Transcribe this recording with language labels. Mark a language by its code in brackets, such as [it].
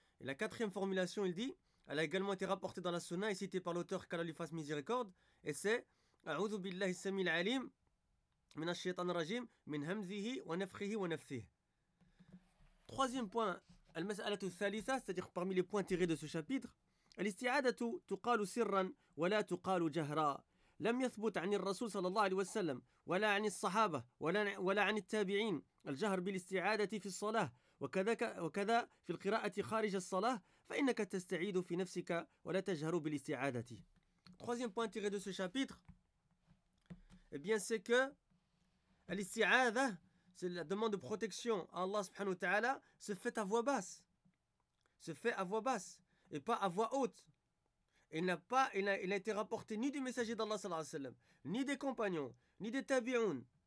[fr] Et la quatrième formulation, il dit, elle a également été rapportée dans la sunna et citée par l'auteur qu'Allah lui fasse miséricorde et c'est [ar] أعوذ بالله السميع العليم من الشيطان الرجيم من همزه ونفخه ونفثه. [fr] Troisième point, [ar] المسألة الثالثة, [fr] c'est-à-dire parmi les points tirés de ce chapitre, [ar] الاستعادة تقال سرا ولا تقال جهرا. لم يثبت عن الرسول صلى الله عليه وسلم ولا عن الصحابة ولا عن التابعين الجهر بالاستعادة في الصلاة وكذا في القراءة خارج الصلاة فإنك تستعيد في نفسك ولا تجهر بالاستعادة. [fr] Troisième point tiré de ce chapitre, eh bien, c'est que l'isti'adha, c'est la demande de protection à Allah subhanahu wa ta'ala, se fait à voix basse. Se fait à voix basse et pas à voix haute. Il n'a été rapporté ni du messager d'Allah sallallahu alayhi wa sallam, ni des compagnons, ni des tabi'oun.